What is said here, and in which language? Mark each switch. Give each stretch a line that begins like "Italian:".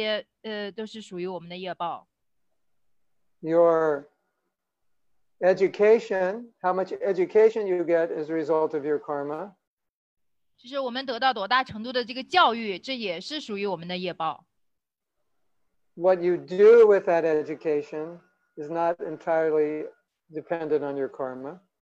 Chinese: 就是我们的出生还有我们的死亡这些都是属于我们的业报。
English: Your education, how much education you get is a result of your karma.
Chinese: 就是我们得到多大程度的这个教育，这也是属于我们的业报。
English: What you do with that education is not entirely dependent on your karma.